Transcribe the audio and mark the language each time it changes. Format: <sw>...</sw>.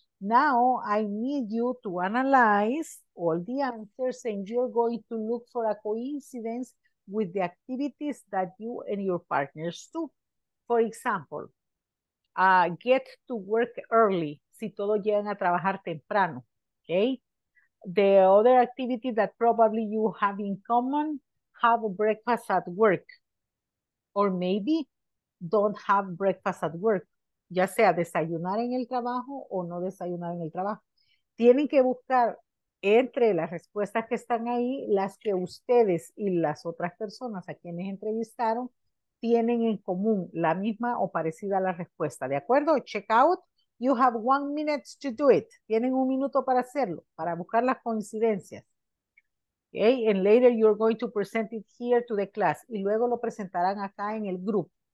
<en>Now, I need you to analyze all the answers and you're going to look for a coincidence with the activities that you and your partners do. For example, get to work early,</en> <es>si todos llegan a trabajar temprano,</es> <en>okay? The other activity that probably you have in common, have breakfast at work. Or maybe don't have breakfast at work.</en> <es>Ya sea desayunar en el trabajo o no desayunar en el trabajo. Tienen que buscar entre las respuestas que están ahí, las que ustedes y las otras personas a quienes entrevistaron tienen en común la misma o parecida a la respuesta. ¿De acuerdo?</es> <en>Check out. You have 1 minute to do it.</en> <es>Tienen un minuto para hacerlo, para buscar las coincidencias.</es> <en>Okay, and later you're going to present it here to the class.</en> <es>Y luego lo presentarán acá en el grupo.</es>